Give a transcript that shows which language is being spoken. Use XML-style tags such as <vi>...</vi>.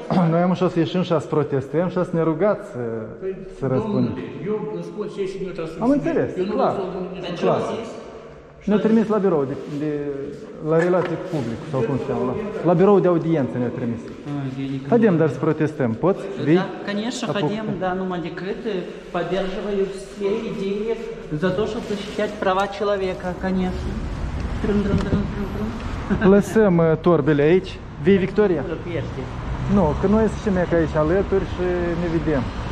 <ro>Noi amuși o să ieșim și o să protestăm și o să ne rugați să, păi, să răspundem. Domnule, eu îmi spun ce ieși, nu trebuie să am înțeles, eu clar. Deci ce ați zis? Ne-a trimis la birou, la relații cu public, sau cum se cheamă. La birou de audiență ne-a trimis. Hadem, dar să protestăm. Poți?</ro> <ru>Da, конечно,</ru> <ro>hadem, dar numai decât</ro> <ru>поддерживаю все идеи за то, чтобы защищать права человека, конечно.</ru> <ro>Lăsăm torbele aici. Vii, Victoria? Ești. Nu, că noi suntem aici alături și ne vedem.</ro>